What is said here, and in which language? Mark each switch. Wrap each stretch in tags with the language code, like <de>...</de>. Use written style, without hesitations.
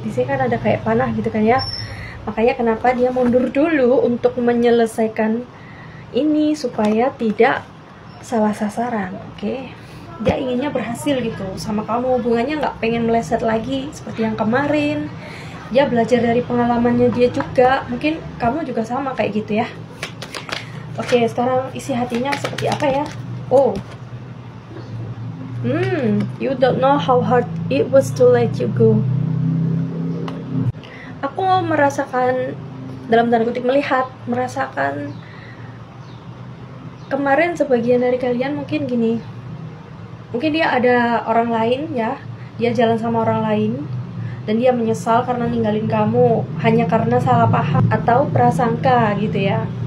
<id>Di sini kan ada kayak panah gitu kan ya. Makanya kenapa dia mundur dulu untuk menyelesaikan ini supaya tidak salah sasaran, oke? Okay? Dia inginnya berhasil gitu sama kamu, hubungannya nggak pengen meleset lagi seperti yang kemarin. Dia belajar dari pengalamannya dia juga. Mungkin kamu juga sama kayak gitu ya. Oke, sekarang isi hatinya seperti apa ya? Oh,</id> <en>You don't know how hard it was to let you go.</en> <id>Aku merasakan, dalam tanda kutip melihat, merasakan kemarin sebagian dari kalian mungkin gini. Mungkin dia ada orang lain ya, dia jalan sama orang lain dan dia menyesal karena ninggalin kamu hanya karena salah paham atau prasangka gitu ya.</id>